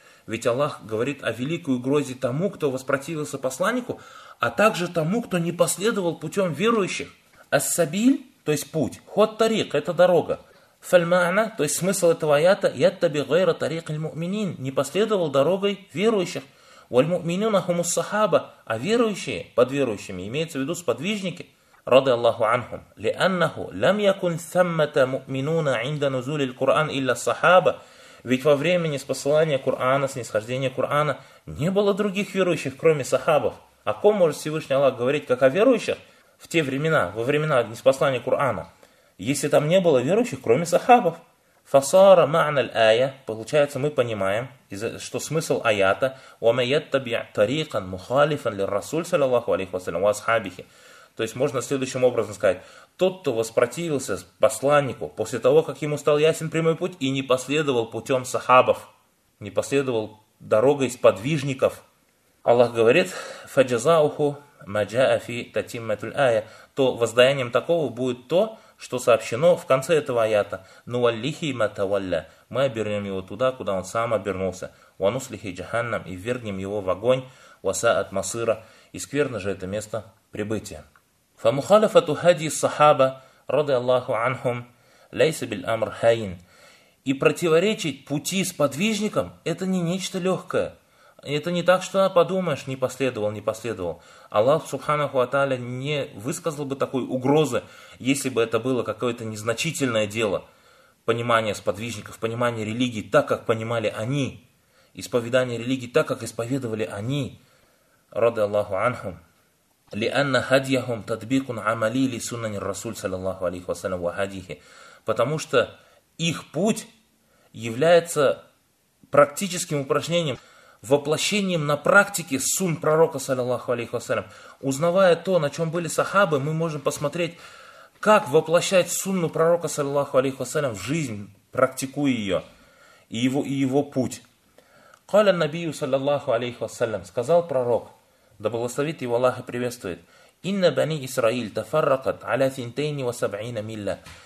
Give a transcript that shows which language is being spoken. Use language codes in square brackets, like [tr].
[ru] Ведь Аллах говорит о великой угрозе тому, кто воспротивился посланнику, а также тому, кто не последовал путем верующих. Ас-сабиль, то есть путь, ход тарик, это дорога. Фальмана, то есть смысл этого аята, [ar] яттаби гайра тарик аль-муминин, [ru] не последовал дорогой верующих. [ar] Валь-муминуна хумус сахаба, [ru] а верующие, под верующими, имеется в виду сподвижники, [ar] رضي الله عنهم لأنه لم يكن ثمة مؤمنون عند نزول القرآن إلا الصحابة. [ru] Ведь во времени спосылания Корана, снисхождения Корана, не было других верующих, кроме сахабов. О ком может Всевышний Аллах говорить, как о верующих в те времена, во времена спосылания Корана, если там не было верующих, кроме сахабов? [ar] فصار معنى الآية, [ru] получается, мы понимаем, что смысл аята: [ar] وما يتبع طريقا مخالفا للرسول صلى الله عليه وسلم وأصحابه. [ru] То есть можно следующим образом сказать: тот, кто воспротивился посланнику после того, как ему стал ясен прямой путь, и не последовал путем сахабов, не последовал дорогой сподвижников. Аллах говорит: [ar] «Фаджазауху маджаа фи татиммату-ль ая», [ru] то воздаянием такого будет то, что сообщено в конце этого аята: [ar] «Нуваллихи ма тавалля», [ru] мы обернем его туда, куда он сам обернулся, [ar] «Вануслихи джаханнам», [ru] и вернем его в огонь, [ar] «Васаат масыра», [ru] и скверно же это место прибытия. [ar] فَمُخَالَفَةُ هَدِي الصَّحَابَ رَضِيَ اللَّهُ عَنْهُمْ لَيْسَ بِالْأَمْرِ هَيِّنٍ. [ru] И противоречить пути сподвижникам – это не нечто легкое. Это не так, что подумаешь, не последовал, не последовал. Аллах Субханаху ва Тааля не высказал бы такой угрозы, если бы это было какое-то незначительное дело, понимание сподвижников, понимание религии так, как понимали они, исповедание религии так, как исповедовали они. [ar] رَضِيَ اللَّهُ عَنْهُمْ لأن هديهم تطبيق عملي لسنة الرسول صلى الله عليه وسلم وهديه, [ru] потому что их путь является практическим упражнением, воплощением на практике сун пророка [ar] صلى الله عليه وسلم. [ru] Узнавая то, на чем были сахабы, мы можем посмотреть, как воплощать сунну пророка [ar] صلى الله عليه وسلم [ru] в жизнь, практикуя ее и его путь. [ar] قال النبي صلى الله عليه وسلم, [ru] сказал пророк, да благословит его Аллах и приветствует: [ar] «Инна бани Исраиль тафаррақат аля синтейни ва саб'ина милля».